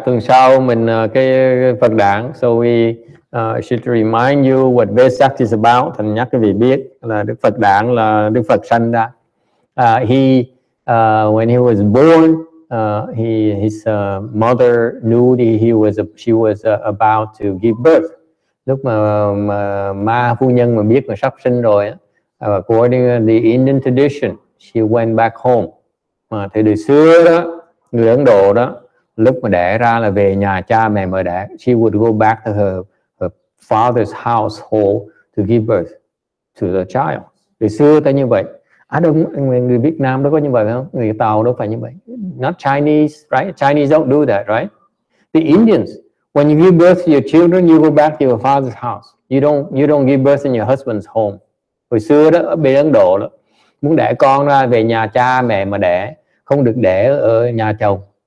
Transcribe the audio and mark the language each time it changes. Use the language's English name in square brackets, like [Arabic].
[Vietnamese] Tuần sau mình cái Phật đản. [English] So we should remind you what Vesak is about. [Vietnamese] Thành nhắc quý vị biết là Đức Phật đản là Đức Phật sanh ra. [English] When he was born, his mother knew that she was about to give birth. [Vietnamese] Lúc mà ma phu nhân mà biết mà sắp sinh rồi. [English] According to the Indian tradition, she went back home. [Vietnamese] Mà thì từ xưa đó, người Ấn Độ đó, lúc mà đẻ ra là về nhà cha mẹ mà đẻ, [English] she would go back to her father's household to give birth to the child. [Vietnamese] Từ xưa ta như vậy. Người Việt Nam đó có như vậy không? Người Tàu đó phải như vậy. [English] Not Chinese, right? Chinese don't do that, right? The Indians, when you give birth to your children, you go back to your father's house. You don't give birth in your husband's home. [Vietnamese] Hồi xưa đó ở bên Ấn Độ đó, muốn đẻ con ra về nhà cha mẹ mà đẻ, không được đẻ ở nhà chồng.